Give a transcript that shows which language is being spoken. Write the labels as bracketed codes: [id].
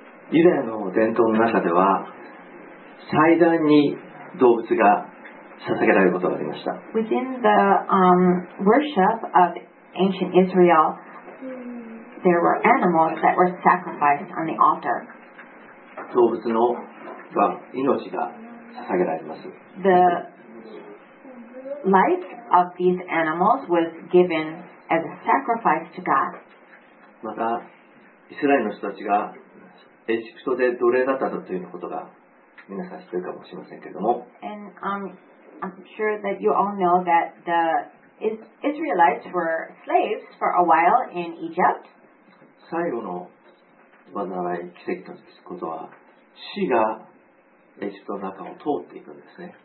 [ja] ユダヤの伝統の中では祭壇に動物が捧げられることがありました。 [en] Within the worship of ancient Israel, there were animals that were sacrificed on the altar. [ja] 動物の命が捧げられます。 [en] The life of these animals was given as a sacrifice to God. [ja] またイスラエルの人たちがエジプトで奴隷だったということが皆さん知ってるかもしれませんけれども。 [en] And I'm sure that you all know that the Israelites were slaves for a while in Egypt. [ja] 最後の災い、奇跡ということは、死がエジプトの中を通っていくんですね。